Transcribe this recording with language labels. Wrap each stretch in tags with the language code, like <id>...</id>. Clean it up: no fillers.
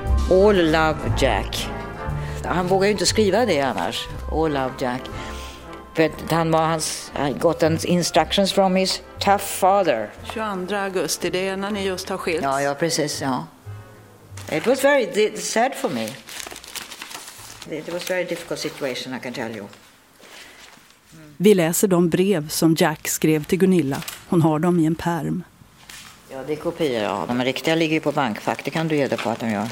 <en>All love Jack.</en> <sv>Han vågar ju inte skriva det annars.</sv> <en>All love Jack.</en> <sv>För han var hans,</sv> <en>got an instructions from his tough father.</en> <sv>22 augusti, det är när ni just har skilt. Ja, precis, ja.</sv> <en>It was very sad for me. It was a very difficult situation, I can tell you.</en> <sv>Vi läser de brev som Jack skrev till Gunilla. Hon har dem i en pärm. Ja, det är kopior. Ja. De riktiga ligger ju på bankfack. Det kan du ge dig på att de gör.</sv>